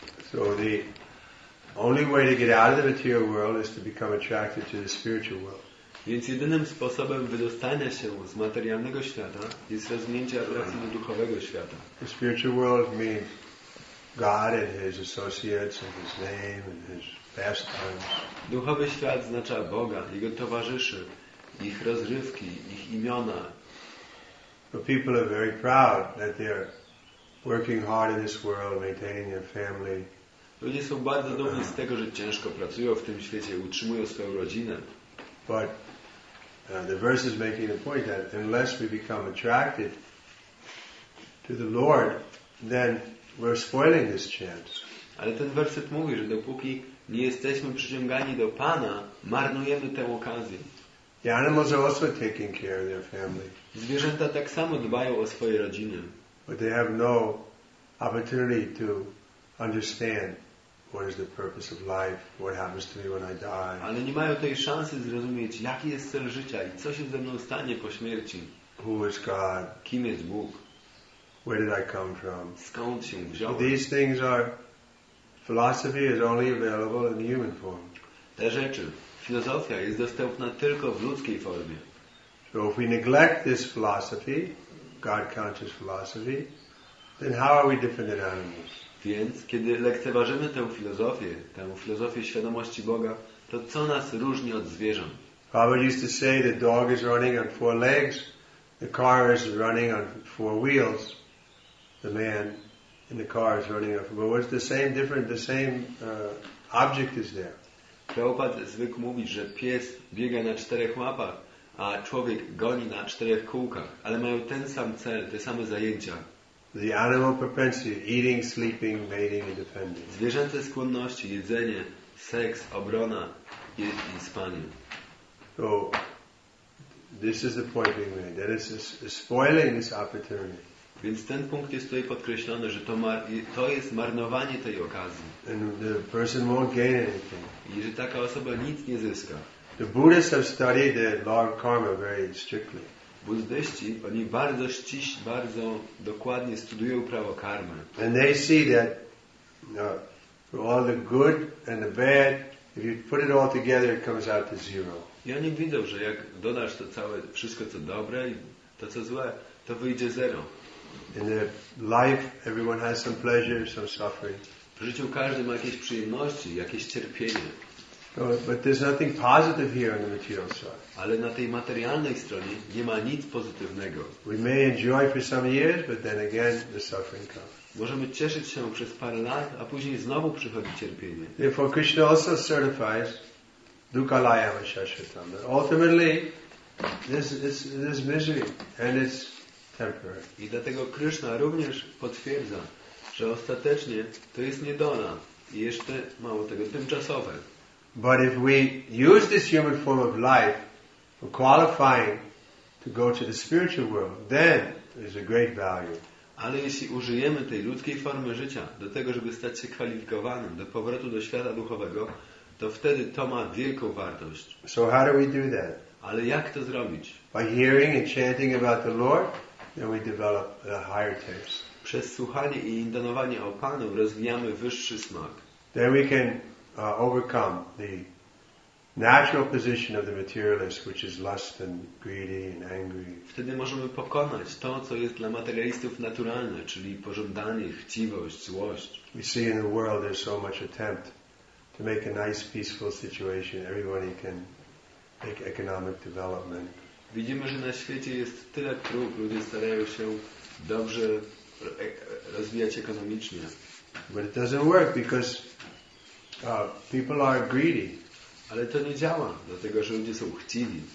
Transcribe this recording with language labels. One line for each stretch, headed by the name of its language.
English: So the only way to get out of the material world is to become attracted to the spiritual world.
Polish: Więc jedynym sposobem wydostania się z materialnego świata jest rozwinięcie atrakcji do duchowego świata.
English: The spiritual world means God and His associates and His name and His pastimes.
Polish: Duchowy świat oznacza Boga, Jego towarzyszy, ich rozrywki, ich imiona.
English: But people are very proud that they're working hard in this world, maintaining their family.
Polish: Ludzie są bardzo dumni z tego, że ciężko pracują w tym świecie, utrzymują swoją rodzinę.
English: But the verse is making the point that unless we become attracted to the Lord, then we're spoiling this chance.
Polish: Ale ten werset mówi, że dopóki nie jesteśmy przyciągani do Pana, marnujemy tę okazję.
English: The animals are also taking care of their family.
Polish: Zwierzęta tak samo dbają o swoje rodziny.
English: But they have no opportunity to understand what is the purpose of life, what happens to me when I die.
Polish: Ale nie mają tej szansy zrozumieć, jaki jest cel życia i co się ze mną stanie po śmierci.
English: Who is God?
Polish: Kim jest Bóg?
English: Where did I come from?
Polish: Skąd się wziąłem?
English: These things are philosophy is only available in human form.
Polish: Te rzeczy, filozofia jest dostępna tylko w ludzkiej formie.
English: So if we neglect this philosophy, God conscious philosophy, then how are we different than animals?
Polish: Więc, kiedy lekceważymy tę filozofię świadomości Boga, to co nas różni od zwierząt?
English: Prabhupada used to say the dog is running on four legs, the car is running on four wheels, the man in the car is running on four wheels. But it's the same object is there.
Polish: Prabhupada zwykł mówić, że pies biega na czterech łapach, a człowiek goni na czterech kółkach, ale mają ten sam cel, te same zajęcia.
English: The animal propensity, eating, sleeping, mating and defending.
Polish: Zwierzęce skłonności, jedzenie, seks, obrona i spanie.
English: So, this is the point being made. That is spoiling this opportunity.
Polish: Więc ten punkt jest tutaj podkreślony, że to jest marnowanie tej okazji.
English: And the person won't gain anything.
Polish: I że taka osoba nic nie zyska.
English: The Buddhists have studied the law of karma very strictly.
Polish: Buddyści, oni bardzo ściśle, bardzo dokładnie studiują prawo karmy.
English: And they see that all the good and the bad If you put it all together, it comes out to zero.
Polish: Ja nie widzę, że jak dodasz to całe wszystko co dobre i to co złe, to wyjdzie zero.
English: In the life, everyone has some pleasure, some suffering.
Polish: W życiu każdy ma jakieś przyjemności, jakieś cierpienie.
English: But there's nothing positive here on the material side.
Polish: Ale na tej materialnej stronie nie ma nic pozytywnego.
English: We may enjoy for some years, but then again the suffering comes.
Polish: Możemy cieszyć się przez parę lat, a później znowu przychodzi cierpienie.
English: Therefore, Krishna also certifies
Sanskrit: dukkhalayama shashvatam.
English: Ultimately, this misery and it's temporary.
Polish: I dlatego Krishna również potwierdza, że ostatecznie to jest niedola i jeszcze mało tego tymczasowe.
English: But if we use this human form of life for qualifying to go to the spiritual world, then there's a great value.
Polish: Ale jeśli użyjemy tej ludzkiej formy życia do tego, żeby stać się kwalifikowanym do powrotu do świata duchowego, to wtedy to ma wielką wartość.
English: So how do we do that?
Polish: Ale jak to zrobić?
English: By hearing and chanting about the Lord, then we develop a higher taste.
Polish: Przez słuchanie i intonowanie o Panu rozwijamy wyższy smak.
English: Then we can overcome the natural position of the materialist, which is lust and greedy and angry.
Polish: Wtedy możemy pokonać to, co jest dla materialistów naturalne, czyli pożądanie, chciwość, złość.
English: We see in the world there's so much attempt to make a nice, peaceful situation. Everybody can make economic development.
Polish: Widzimy, że na świecie jest tyle prób, ludzie starają się dobrze rozwijać ekonomicznie.
English: But it doesn't work because people are greedy.
Polish: Ale to nie działa, dlatego że ludzie są chciwi.